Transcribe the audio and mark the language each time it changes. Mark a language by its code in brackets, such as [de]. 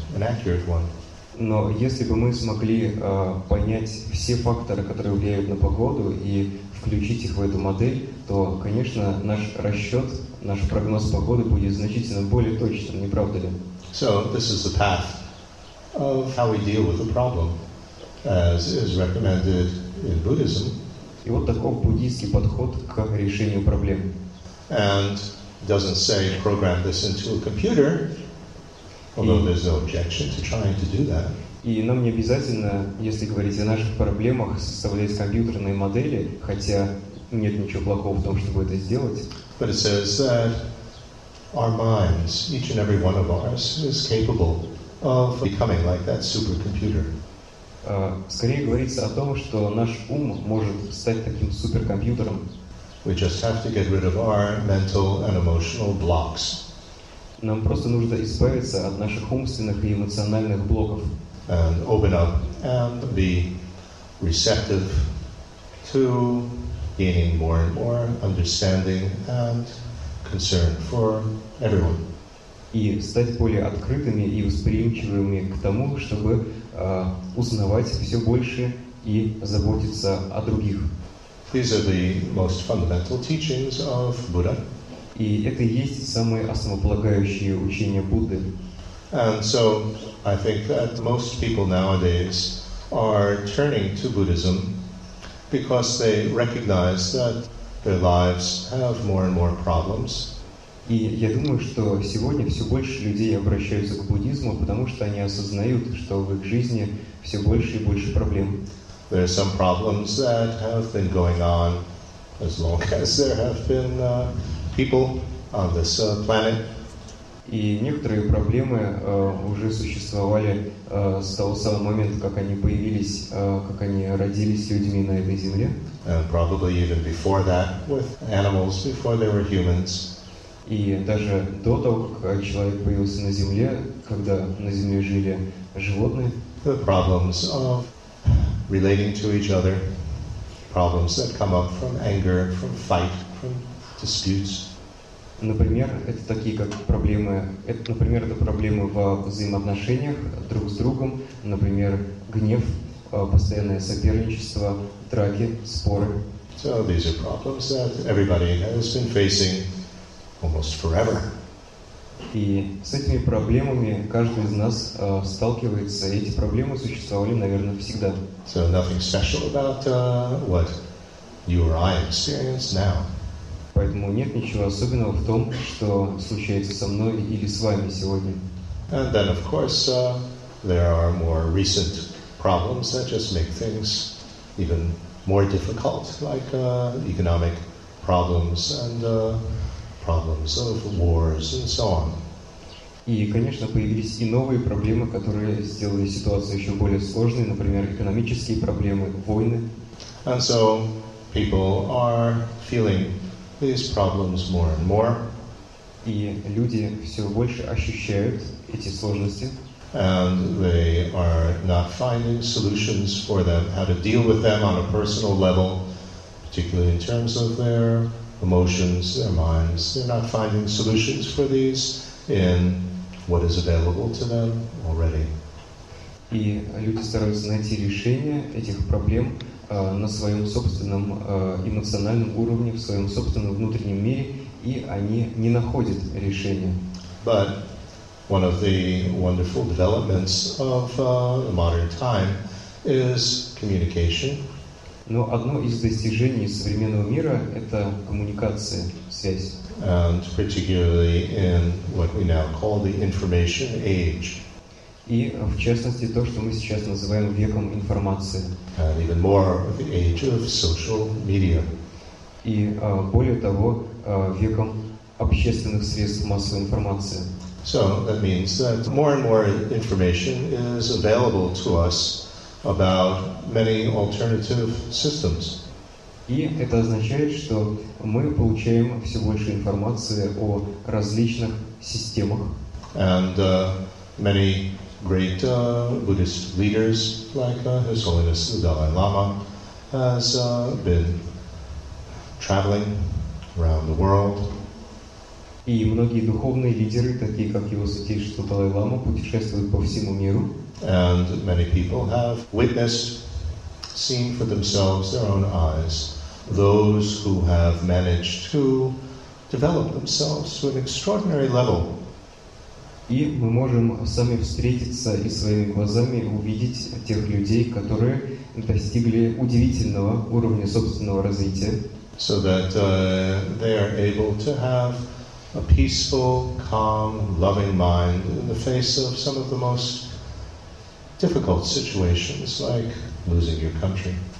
[en] An accurate one. [ru] Но если бы мы смогли понять все факторы, которые влияют на погоду, и включить их в эту модель, то, конечно, наш расчет, наш прогноз погоды будет значительно более точным, не правда ли? [en] So this is the path of how we deal with the problem, as is recommended in Buddhism. [ru] И вот такой буддийский подход к решению проблем. [en] And doesn't say program this into a computer. Although there's no objection to trying to do that. [ru] И нам не обязательно, если говорить о наших проблемах, составлять компьютерные модели, хотя нет ничего плохого в том, чтобы это сделать. [en] But it says that our minds, each and every one of ours, is capable of becoming like that supercomputer. [ru] Скорее говорится о том, что наш ум может стать таким суперкомпьютером. [en] We just have to get rid of our mental and emotional blocks. [ru] Нам просто нужно избавиться от наших умственных и эмоциональных блоков. [en] And open up and be receptive to gaining more and more understanding and concern for everyone. [ru] И стать более открытыми и восприимчивыми к тому, чтобы узнавать все больше и заботиться о других. [en] These are the most fundamental teachings of Buddha. [ru] И это и есть самые основополагающие учения Будды. [en] And so I think that most people nowadays are turning to Buddhism because they recognize that their lives have more and more problems. [ru] И я думаю, что сегодня все больше людей обращаются к буддизму, потому что они осознают, что в их жизни все больше и больше проблем. [en] There are some problems that have been going on as long as there have been people on this planet. [ru] И некоторые проблемы уже существовали с того самого момента, как они появились, как они родились людьми на этой земле. [en] And probably even before that, with animals, before they were humans. [ru] И даже до того, как человек появился на земле, когда на земле жили животные. [en] The problems of relating to each other, problems that come up from anger, from fight, from disputes. [ru] Например, это такие как проблемы. Это, например, это проблемы во взаимоотношениях друг с другом. Например, гнев, постоянное соперничество, драки, споры. [en] So these are problems that everybody has been facing almost forever. [ru] И с этими проблемами каждый из нас сталкивается. Эти проблемы существовали, наверное, всегда. [en] So nothing special about what you or I experience now. [ru] Поэтому нет ничего особенного в том, что случается со мной или с вами сегодня. [en] And then, of course, there are more recent problems that just make things even more difficult, like economic problems and problems of wars and so on. [ru] И, конечно, появились и новые проблемы, которые сделали ситуацию еще более сложной, например, экономические проблемы, войны. [en] And so people are feeling these problems more and more. [ru] И люди все больше ощущают эти сложности. [en] And they are not finding solutions for them, how to deal with them on a personal level, particularly in terms of their emotions, their minds. They're not finding solutions for these in what is available to them already. [ru] И люди стараются найти решение этих проблем на своем собственном эмоциональном уровне, в своем собственном внутреннем мире, и они не находят решения. [en] But one of the wonderful developments of the modern time is communication. [ru] Но одно из достижений современного мира — это коммуникация, связь. [en] And particularly in what we now call the information age. [ru] И, в частности, то, что мы сейчас называем веком информации. [en] And even more, the age of social media. [ru] И, более того, веком общественных средств массовой информации. [en] So that means that more and more information is available to us about many alternative systems. [ru] И это означает, что мы получаем все больше информации о различных системах. [en] And many great Buddhist leaders like His Holiness the Dalai Lama has been traveling around the world. [ru] И многие духовные лидеры, такие как Его Святейшество Далай Лама, путешествуют по всему миру. [en] And many people have witnessed, seen for themselves, their own eyes, those who have managed to develop themselves to an extraordinary level. [ru] И мы можем сами встретиться и своими глазами увидеть тех людей, которые достигли удивительного уровня собственного развития. [en] So that they are able to have a peaceful, calm, loving mind in the face of some of the most difficult situations, like losing your country.